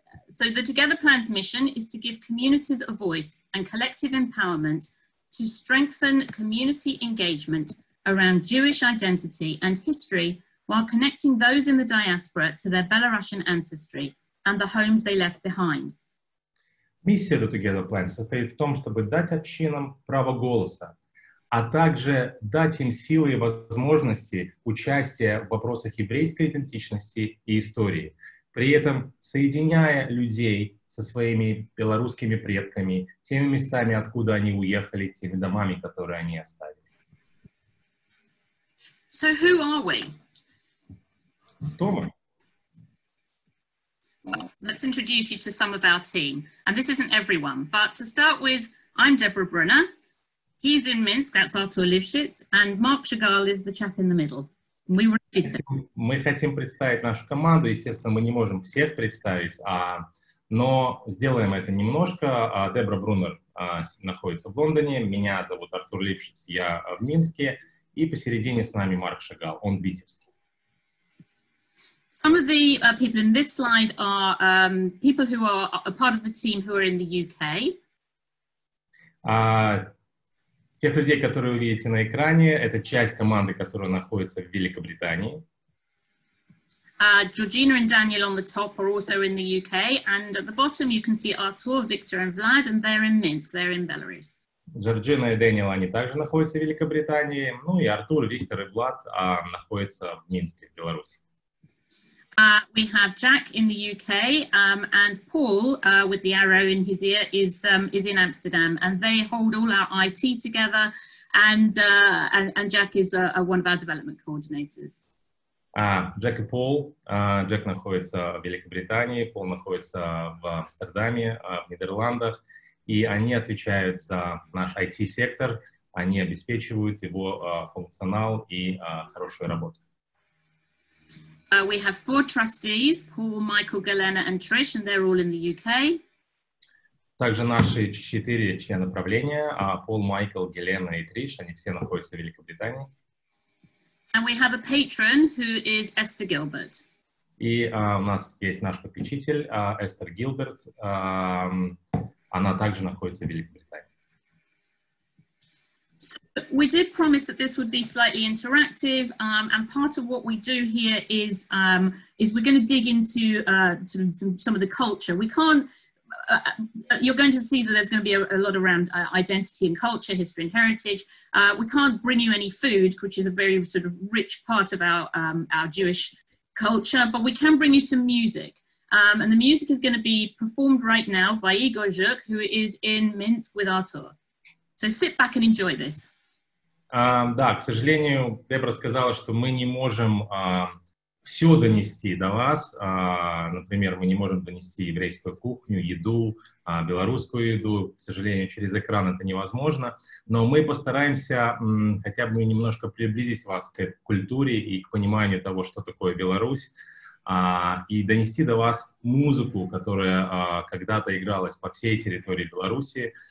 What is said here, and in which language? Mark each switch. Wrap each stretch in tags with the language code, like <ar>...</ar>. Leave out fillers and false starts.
<en>So the Together Plan's mission is to give communities a voice and collective empowerment to strengthen community engagement around Jewish identity and history while connecting those in the diaspora to their Belarusian ancestry and the homes they left behind.</en> <ru>Миссия The Together Plan состоит в том, чтобы дать общинам право голоса, а также дать им силы и возможности участия в вопросах еврейской идентичности и истории. при этом соединяя людей со своими белорусскими предками, теми местами, откуда они уехали, теми домами, которые они оставили.</ru> <en>So who are we?</en> <ru>Кто мы?</ru> <en>Well, let's introduce you to some of our team. And this isn't everyone, but to start with, I'm Debra Brunner. He's in Minsk, that's Artur Livshyts, and Mark Шагал is the chap in the middle. We were</en> <ru>Мы хотим представить нашу команду, естественно, мы не можем всех представить, но сделаем это немножко. Дебра Брунер находится в Лондоне, меня зовут Артур Лившиц, я в Минске, и посередине с нами Марк Шагал, он витебский.</ru> <en>Some of the people in this slide are people who are a part of the team who are in the UK.</en> <ru>Тех людей, которые вы видите на экране, это часть команды, которая находится в Великобритании.</ru> <en>Georgina and Daniel on the top are also in the UK, and at the bottom you can see Artur, Victor and Vlad, and they're in Minsk, they're in Belarus.</en> <ru>Georgina и Daniel, они также находятся в Великобритании, ну и Артур, Виктор и Влад находятся в Минске, в Беларуси.</ru> <en>We have Jack in the UK, and Paul, with the arrow in his ear, is in Amsterdam, and they hold all our IT together, and Jack is one of our development coordinators.</en> <ru>Джек и Пол. Джек находится в Великобритании, Пол находится в Амстердаме, в Нидерландах, и они отвечают за наш IT-сектор, они обеспечивают его функционал и хорошую работу.</ru> <en>We have four trustees, Paul, Michael, Galena and Trish, and they're all in the UK.</en> <ru>Также наши четыре члена правления, Пол, Майкл, Галена и Триш, они все находятся в Великобритании.</ru> <en>And we have a patron who is Esther Gilbert.</en> <ru>И у нас есть наш попечитель, Эстер Гилберт, она также находится в Великобритании.</ru> <en>So we did promise that this would be slightly interactive, and part of what we do here is we're going to dig into some of the culture. We can't, you're going to see that there's going to be a lot around identity and culture, history and heritage. We can't bring you any food, which is a very sort of rich part of our Jewish culture, but we can bring you some music. And the music is going to be performed right now by Igor Zhuk, who is in Minsk with Artur. So sit back and enjoy this.</en> <ru>Да, к сожалению, Дебра сказала, что мы не можем все донести до вас. Например, мы не можем донести еврейскую кухню, еду, белорусскую еду. К сожалению, через экран это невозможно. Но мы постараемся хотя бы немножко приблизить вас к культуре и к пониманию того, что такое Беларусь, и донести до вас музыку, которая когда-то игралась по всей территории Беларуси.</ru>